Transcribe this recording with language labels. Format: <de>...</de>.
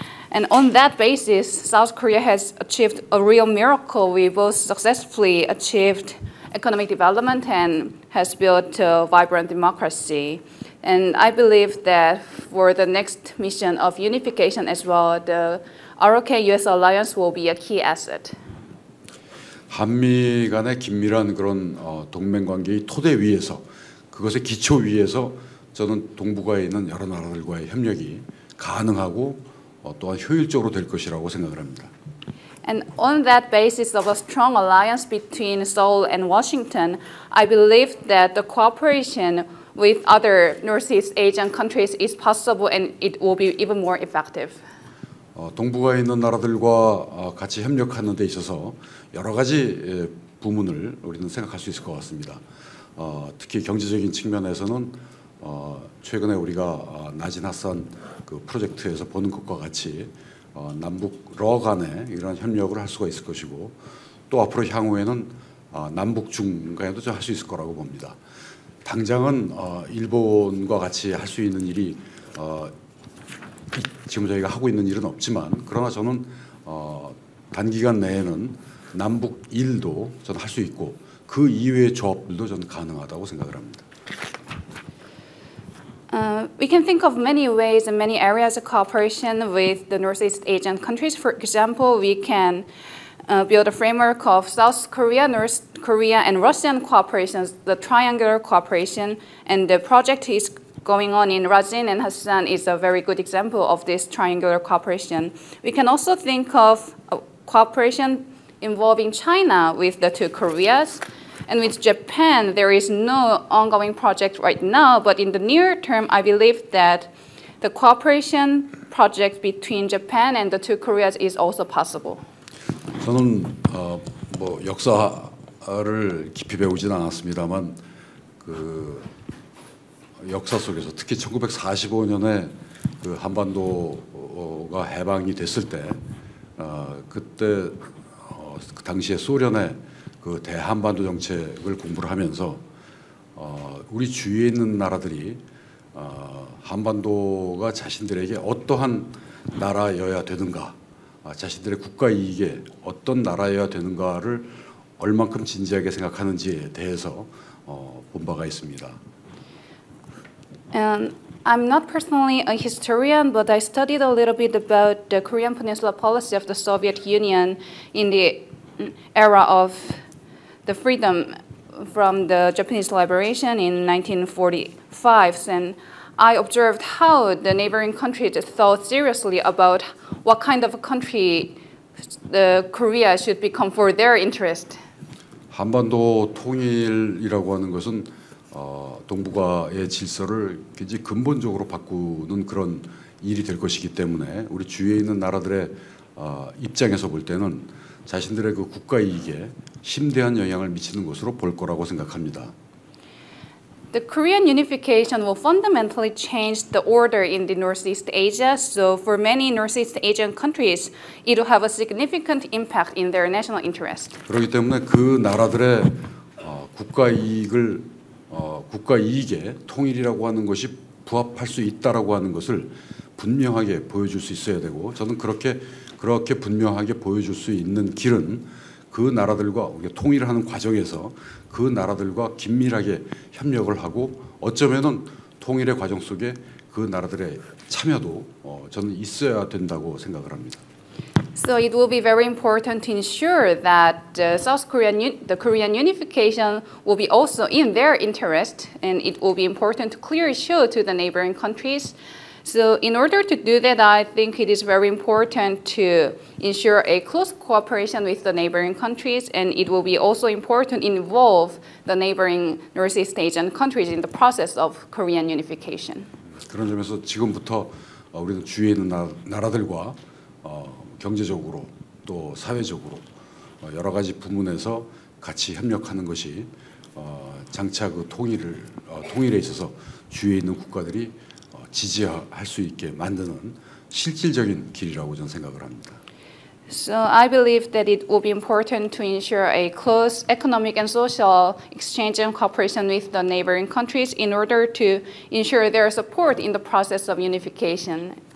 <en>And on that basis, South Korea has achieved a real miracle. We both successfully achieved economic development and has built a vibrant democracy. And I believe that for the next mission of unification as well, the ROK-US alliance will be a key asset.</en> <ko>한미 간의 긴밀한 그런 동맹관계의 토대 위에서, 그것의 기초 위에서 저는 동북아에 있는 여러 나라들과의 협력이 가능하고 또한 효율적으로 될 것이라고 생각을 합니다.</ko> <en>And on that basis of a strong alliance between Seoul and Washington, I believe that the cooperation with other Northeast Asian countries is possible and it will be even more effective.</en> <ko>동북아에 있는 나라들과 같이 협력하는 데 있어서 여러 가지 부문을 우리는 생각할 수 있을 것 같습니다. 특히 경제적인 측면에서는 최근에 우리가 나진아산 그 프로젝트에서 보는 것과 같이 남북 러 간의 이런 협력을 할 수가 있을 것이고 또 앞으로 향후에는 남북 중 간에도 좀 할 수 있을 거라고 봅니다. 당장은 일본과 같이 할 수 있는 일이 지금 저희가 하고 있는 일은 없지만 그러나 저는 단기간 내에는 남북 일도 저는 할 수 있고 그 이외의 조합들도 저는 가능하다고 생각을 합니다.</ko> <en>We can think of many ways and many areas of cooperation with the Northeast Asian countries. For example, we can build a framework of South Korea, North Korea, and Russian cooperation, the triangular cooperation, and the project is going on in Rajin and Hassan is a very good example of this triangular cooperation. We can also think of cooperation involving China with the two Koreas. And with Japan, there is no ongoing project right now, but in the near term, I believe that the cooperation project between Japan and the two Koreas is also possible.</en> <ko>저는 뭐 역사를 깊이 배우진 않았습니다만 그 역사 속에서 특히 1945년에 그 한반도가 해방이 됐을 때 그때 그 당시에 소련의 그 대한반도 정책을 공부를 하면서 우리 주위에 있는 나라들이 한반도가 자신들에게 어떠한 나라여야 되는가 자신들의 국가 이익에 어떤 나라여야 되는가를 얼만큼 진지하게 생각하는지에 대해서 본 바가 있습니다.</ko> <en>And I'm not personally a historian, but I studied a little bit about the Korean Peninsula policy of the Soviet Union in the era of the freedom from the Japanese liberation in 1945. And I observed how the neighboring countries thought seriously about what kind of a country Korea should become for their interest.</en> <ko>한반도 통일이라고 하는 것은 동북아의 질서를 굉장히 근본적으로 바꾸는 그런 일이 될 것이기 때문에 우리 주위에 있는 나라들의 입장에서 볼 때는 자신들의 그 국가 이익에 심대한 영향을 미치는 것으로 볼 거라고 생각합니다.</ko> <en>The Korean unification will fundamentally change the order in the Northeast Asia. So for many Northeast Asian countries, it will have a significant impact in their national interest.</en> <ko>그렇기 때문에 그 나라들의 국가 이익을 국가 이익에 통일이라고 하는 것이 부합할 수 있다라고 하는 것을 분명하게 보여줄 수 있어야 되고 저는 그렇게 분명하게 보여줄 수 있는 길은 그 나라들과 통일하는 과정에서 그 나라들과 긴밀하게 협력을 하고 어쩌면은 통일의 과정 속에 그 나라들의 참여도 저는 있어야 된다고 생각을 합니다.</ko> <en>So it will be very important to ensure that the Korean unification will be also in their interest, and it will be important to clearly show to the neighboring countries. So in order to do that, I think it is very important to ensure a close cooperation with the neighboring countries, and it will be also important to involve the neighboring Northeast Asian countries in the process of Korean unification.</en> <ko>그런 점에서 지금부터 우리는 주위에 있는 나라들과 경제적으로 또 사회적으로 여러 가지 부문에서 같이 협력하는 것이 장차 그 통일을 통일에 있어서 주위에 있는 국가들이 지지할 수 있게 만드는 실질적인 길이라고 저는 생각을 합니다.</ko> <en>So I believe that it will be important to ensure a close economic and social exchange and cooperation with the neighboring countries in order to ensure their support in the process of unification.</en>